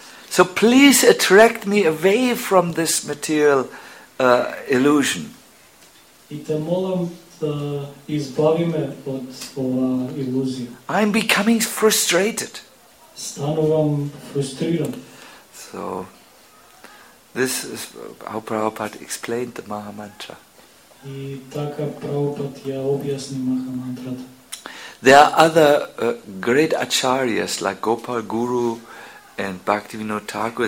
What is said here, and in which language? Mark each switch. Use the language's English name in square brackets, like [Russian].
[English] So please attract me away from this material illusion. [Macedonian] I te molam избавиме од оваа илузија. [English] I'm becoming frustrated. [Macedonian] Станувам фрустриран. [English] So this is how Prabhupada explained the Maha Mantra. [Macedonian] И така Прабхупад ја објасни Маха Мантрата. [English] There are other great acharyas like Gopal Guru and Bhaktivinoda Thakur.